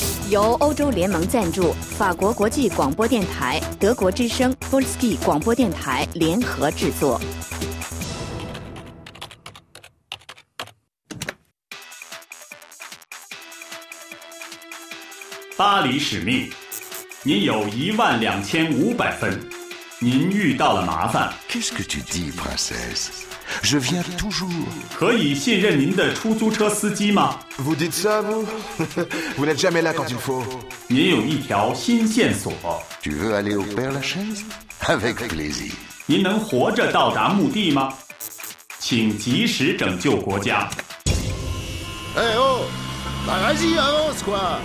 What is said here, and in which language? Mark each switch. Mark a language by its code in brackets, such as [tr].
[zh] 由欧洲联盟赞助，法国国际广播电台、德国之声 Polsky 广播电台联合制作。巴黎使命，您有12500分，您遇到了麻烦。 [fr] Qu'est-ce que tu dis, princesse? Je viens toujours. [zh] 可以信任您的出租车司机吗 [fr] ？Vous dites ça, vous n'êtes jamais là quand il faut. [zh] 您有一条新线索。 [fr] Tu veux aller au Père Lachaise? Avec plaisir. [zh] 您能活着到达目的吗？请及时拯救国家。 [fr] Hey, oh! Bah vas-y, avance quoi!